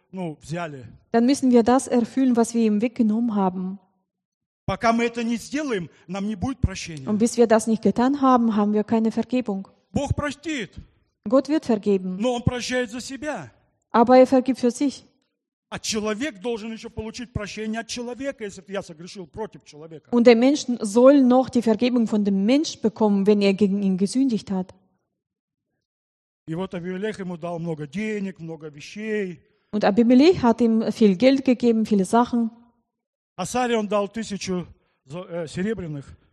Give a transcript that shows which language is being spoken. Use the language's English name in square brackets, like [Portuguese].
[Russian] ну, взяли. [German] Dann müssen wir das erfüllen, was wir ihm weggenommen haben. [Russian] Пока мы это не сделаем, нам не будет прощения. [German] Und bis wir das nicht getan haben, haben wir keine Vergebung. [Russian] Бог простит. [German] Gott wird vergeben. [Russian] Но он прощает за себя. [German] Aber er vergibt für sich. [Russian] А человек должен еще получить прощение от человека, если я согрешил против человека. [German] Und der Mensch soll noch die Vergebung von dem Mensch bekommen, wenn er gegen ihn gesündigt hat. [Russian] И вот Авимелех ему дал много денег, много вещей. [German] Und Abimelech hat ihm viel Geld gegeben, viele Sachen. [Russian] А Саре он дал 1000 серебряных.